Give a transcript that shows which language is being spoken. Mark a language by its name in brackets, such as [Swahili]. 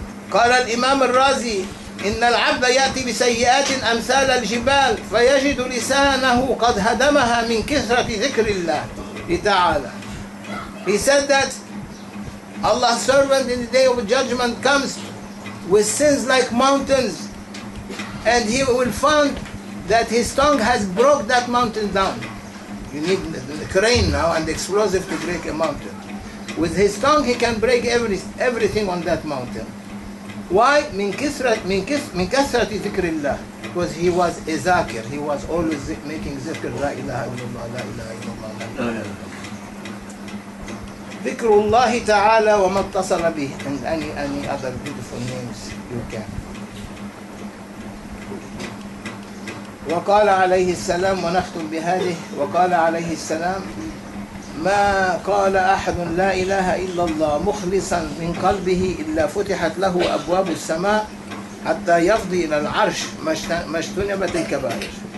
[Arabic] قال الإمام الرازي إن العبد يأتي بسيئات أمثال الجبال فيجد لسانه قد هدمها من كثرة ذكر الله تعالى. [English] He said that Allah's servant in the day of judgment comes with sins like mountains, and he will find that his tongue has broke that mountain down. You need the crane now and explosive to break a mountain. With his tongue he can break everything on that mountain. Why? [Arabic] من كثرة ذكر الله. [English] Because he was a zakir. He was always making zikr. [Arabic] لا إله إلا الله. لا إله إلا الله. ذكر الله تعالى وما اتصل به. [English] And any other beautiful names you can. [Arabic] وقال عليه السلام ونختم بهذه. وقال عليه السلام ما قال أحد لا إله إلا الله مخلصا من قلبه إلا فتحت له أبواب السماء حتى يفضي إلى العرش ما اجتنبت الكبائر.